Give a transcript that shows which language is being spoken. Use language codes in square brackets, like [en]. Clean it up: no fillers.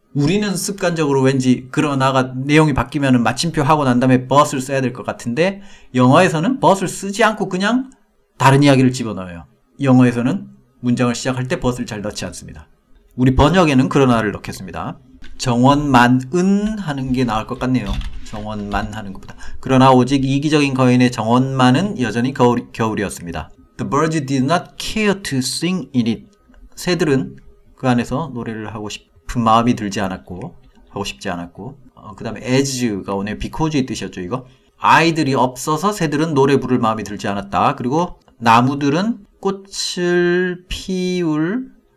[ko] 우리는 습관적으로 왠지 그러나가 내용이 바뀌면은 마침표 하고 난 다음에 but을 써야 될것 같은데 영어에서는 but을 쓰지 않고 그냥 다른 이야기를 집어넣어요. 영어에서는 문장을 시작할 때 but을 잘 넣지 않습니다. 우리 번역에는 그러나를 넣겠습니다. 정원만은 하는 게 나을 것 같네요. 정원만 하는 것보다. 그러나 오직 이기적인 거인의 정원만은 여전히 겨울이었습니다. [en] The birds did not care to sing in it. [ko] 새들은 그 안에서 노래를 하고 싶은 마음이 들지 않았고 하고 싶지 않았고 그 다음에 as가 오늘 because의 뜻이었죠 이거 아이들이 없어서 새들은 노래 부를 마음이 들지 않았다 그리고 나무들은 꽃을 피울